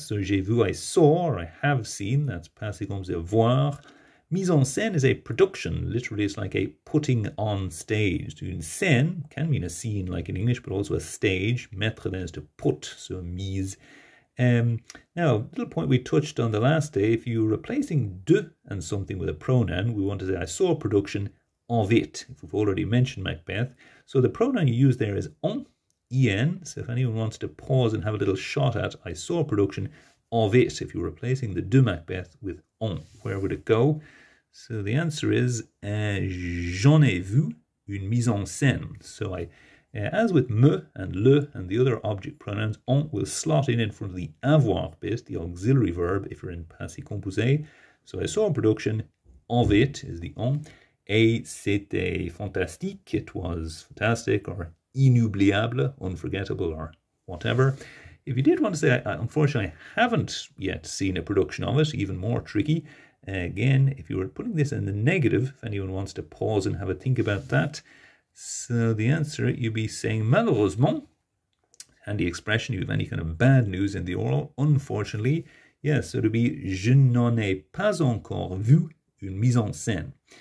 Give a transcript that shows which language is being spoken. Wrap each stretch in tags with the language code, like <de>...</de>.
<en>So</en> <fr>j'ai vu,</fr> <en>I saw, or I have seen, that's</en> <fr>passé comme c'est voir.</fr> <en>Mise en scène is a production. Literally, it's like a putting on stage. So</en> <fr>une scène</fr> <en>can mean a scene, like in English, but also a stage. Mettre then is to put, so mise. Now, a little point we touched on the last day, if you're replacing de and something with a pronoun, we want to say, I saw a production of it, if we've already mentioned Macbeth. So the pronoun you use there is en, en, so if anyone wants to pause and have a little shot at, I saw a production of it, if you're replacing the</en> <fr>de Macbeth</fr> <en>with en, where would it go? So the answer is,</en> <fr>j'en ai vu une mise en scène,</fr> <en>so I... As with me and le and the other object pronouns, on will slot in front of the avoir bit, the auxiliary verb, if you're in passé composé. So I saw a production of it, is the on.</en> <fr>Et c'était fantastique,</fr> <en>it was fantastic, or</en> <fr>inoubliable,</fr> <en>unforgettable, or whatever. If you did want to say, unfortunately, I haven't yet seen a production of it, even more tricky. Again, if you were putting this in the negative, if anyone wants to pause and have a think about that, so the answer, you'd be saying malheureusement, handy expression, you have any kind of bad news in the oral, unfortunately. Yes, so it'd be</en> <fr>je n'en ai pas encore vu une mise en scène.</fr>